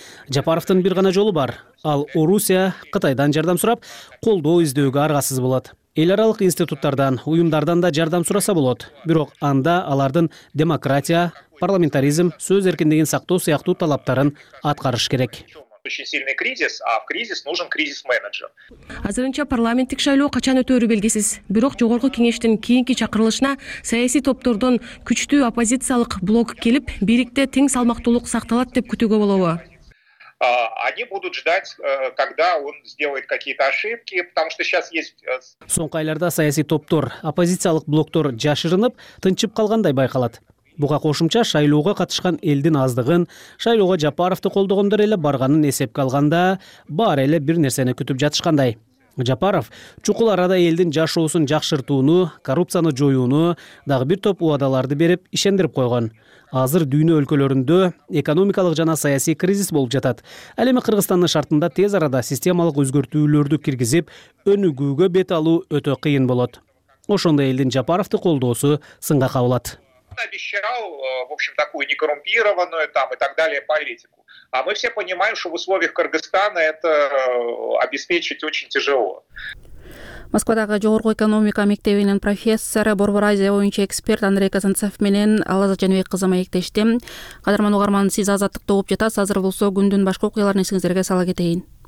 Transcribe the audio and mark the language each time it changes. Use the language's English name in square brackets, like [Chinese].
[Kyrgyz] Жапаровдун бир гана жолу бар. Ал Орусия, Кытайдан жардам сурап, колдоо издөөгө аргасыз болот. Эл аралык институттардан, уюмдардан да жардам сураса болот. Бирок анда алардын демократия, парламентаризм, сөз эркиндигин сактоо сыяктуу талаптарын аткарыш керек. [Russian] Очень сильный кризис, а в кризис нужен кризис-менеджер. [Kyrgyz] Азырынча парламенттик шайлоо качан өтөрү белгисиз. Бирок жогорку кеңештин кийинки чакырылышына саясий топтордон күчтүү оппозициялык блок келип, бийликте тең салмактуулук сакталат деп күтүүгө болобу? [Russian] Они будут ждать, когда он сделает какие-то ошибки, потому что сейчас есть... [Kyrgyz] Соңку айларда саясий топтор, оппозициялык блоктор жашырынып, тынчып калгандай байкалат. Буга кошумча шайлоого катышкан элдин аздыгын, шайлоого Жапаровду колдогондор эле барганын эсепке алганда, баары эле бир нерсени күтүп жатышкандай. Жапаров чукул арада элдин жашоосун жакшыртууну, коррупцияны жоюуну дагы бир топ убадаларды берип ишендирип койгон. Азыр дүйнө өлкөлөрүндө экономикалык жана саясий кризис болуп жатат. Ал эми Кыргызстандын шартында тез арада системалык өзгөртүүлөрдү киргизип, өнүгүүгө бет алуу өтө кыйын болот. Ошондой элдин Жапаровду колдоосу сынга кабылат. [Russian] Обещал, в общем, такую некоррумпированную там и так далее политику. А мы все понимаем, что в условиях Кыргызстана это обеспечить очень тяжело. [Kyrgyz] Москвадагы жогорку экономика мектебинин профессору, Борбор Азия боюнча эксперт Андрей Казанцев менен Алаза Жанбек кызы маектештим. Кадырман угарман, сиз азаттык угуп жатасыз. Азыр болсо күндүн башка окуяларын эсиңиздерге сала кетейин.